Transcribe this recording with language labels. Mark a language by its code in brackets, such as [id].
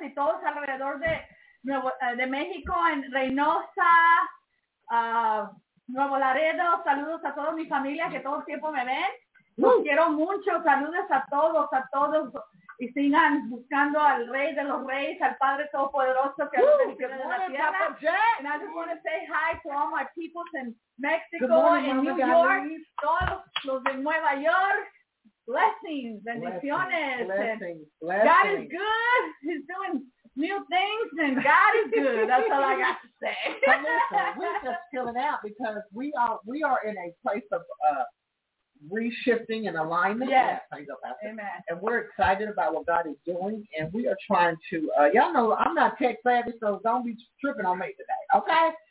[es] Y todos alrededor de México, en Reynosa, Nuevo Laredo. Saludos a toda mi familia que todo el tiempo me ven. Los quiero mucho. Saludos a todos. Y sigan buscando al Rey de los Reyes, al Padre Todopoderoso que nos bendiciona en la tierra. [en] And I just want to say hi to all my peoples in Mexico, morning, in New York, [es] todos los de Nueva York. [en] Blessings, bendiciones. Blessings. God is good. He's doing new things, and God is good. That's all I got to say. We're just chilling out because we are in a place of reshifting and alignment. Yes. Amen. And we're excited about what God is doing, and we are trying to y'all know I'm not tech savvy, so don't be tripping on me today. Okay.